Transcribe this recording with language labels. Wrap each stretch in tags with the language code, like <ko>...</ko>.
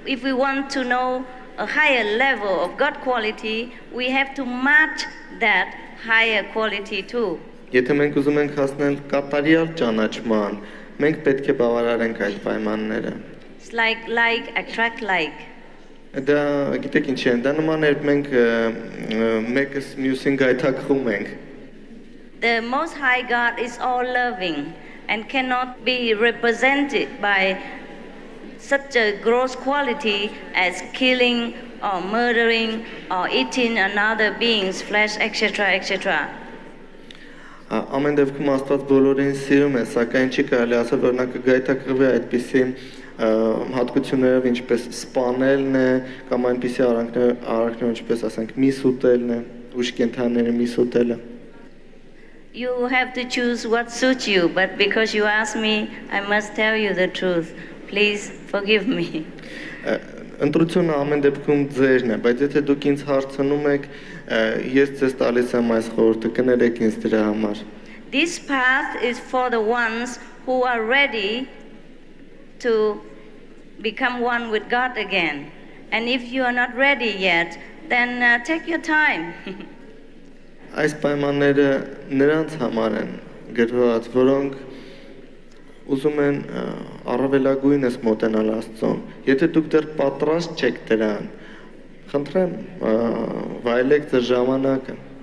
<en>If we want to know a higher level of God quality, we have to match that higher quality too.</en> <hy>Եթե մենք ուզում ենք հասնել կատարյալ ճանաչման, մենք պետք է բավարարենք այդ պայմանները.</hy> <en>It's like attract like.</en> <hy>Դա գիտեք ինչ է, դա նման է, մենք մեկս մյուսին գայթակղում ենք.</hy> <en>The most high God is all loving and cannot be represented by such a gross quality as killing or murdering or eating another being's flesh, etc., etc.</en> <hy>Ամեն դեպքում Աստված բոլորին սիրում է, սակայն չի կարելի ասել, որ նա կգայթակղվի այդպիսի հատկություններով, ինչպես սպանելն է, կամ այնպիսի արարքներ, ինչպես ասենք միս ուտելն է, ուշ կենդանիների միս ուտելը.</hy> <en>You have to choose what suits you, but because you asked me, I must tell you the truth. Please forgive me.</en> <hy>Ընտրությունը ամեն դեպքում ձերն է, բայց եթե դուք ինձ հարցնում եք, ես ձեզ տալիս եմ այս խորհուրդը, կներեք ինձ դրա համար.</hy> <en>This path is for the ones who are ready to become one with God again. And if you are not ready yet, then take your time.</en> <hy>Այս պայմանները նրանց համար են գրված, որոնք ուզում են առավելագույնս մոտենալ Աստծուն։ Եթե դուք դեռ պատրաստ չեք դրան, խնդրեմ, վայելեք ձեր ժամանակը։</hy>